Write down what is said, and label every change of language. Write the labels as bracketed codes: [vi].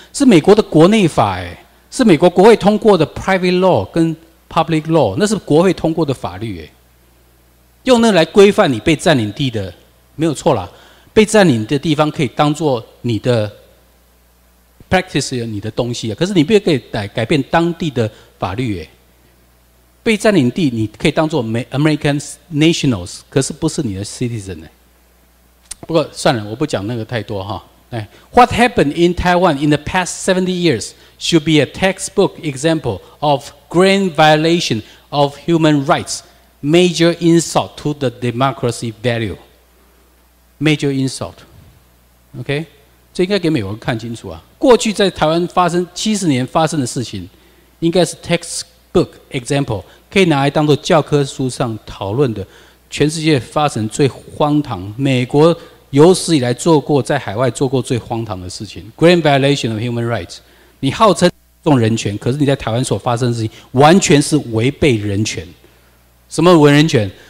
[zh] 是美国的国内法，哎，是美国国会通过的 private law 跟 public law， 那是国会通过的法律，哎，用那来规范你被占领地的，没有错啦，被占领的地方可以当作你的practice 你的东西，可是你不可以改变当地的法律。被占领地你可以当作 American Nationals， 可是不是你的 citizen。不过算了，我不讲那个太多哈。 [en] 来， What happened in Taiwan in the past 70 years should be a textbook example of grand violation of human rights, major insult to the democracy value. Major insult. [zh] OK，这应该给美国看清楚啊！过去在台湾发生70年发生的事情，应该是 textbook example， 可以拿来当作教科书上讨论的，全世界发生最荒唐、美国有史以来做过在海外做过最荒唐的事情 [en] Grand violation of human rights， [zh] 你号称尊重人权，可是你在台湾所发生的事情完全是违背人权。什么违人权？